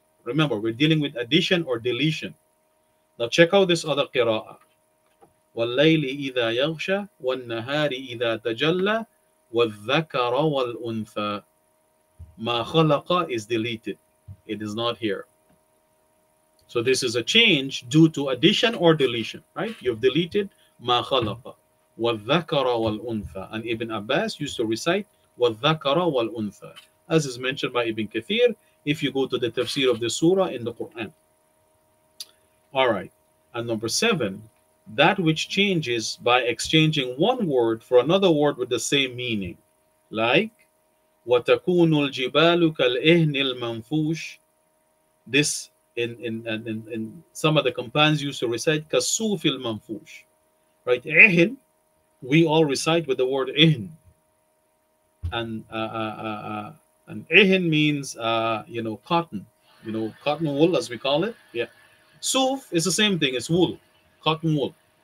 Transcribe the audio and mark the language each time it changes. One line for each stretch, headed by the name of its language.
English: Remember, we're dealing with addition or deletion. Now check out this other qira'ah.
Arabic: وَاللَّيْلِ إِذَا يَغْشَى وَالنَّهَارِ إِذَا تَجَلَّى وَالذَّكَرَ وَالْأُنْثَى. مَا خَلَقَ
English: is deleted. It is not here. So this is a change due to addition or deletion, right? You've deleted
Arabic: مَا خَلَقَ وَالذَّكَرَ وَالْأُنْثَى.
English: And Ibn Abbas used to recite
Arabic: وَالذَّكَرَ وَالْأُنْثَى.
English: As is mentioned by Ibn Kathir, if you go to the tafsir of the surah in the Quran. All right. And number seven, that which changes by exchanging one word for another word with the same meaning. Like,
Arabic: وَتَكُونُ الْجِبَالُ كَالْإِهْنِ الْمَنْفُوشِ.
English: This, in some of the companions used to recite,
Arabic: كَالْصُوفِ الْمَنْفُوشِ.
English: Right? إِهْن, we all recite with the word إِهْن. And, and ihn means, cotton. You know, cotton wool, as we call it. Yeah. Suf is the same thing. It's wool. Cotton wool.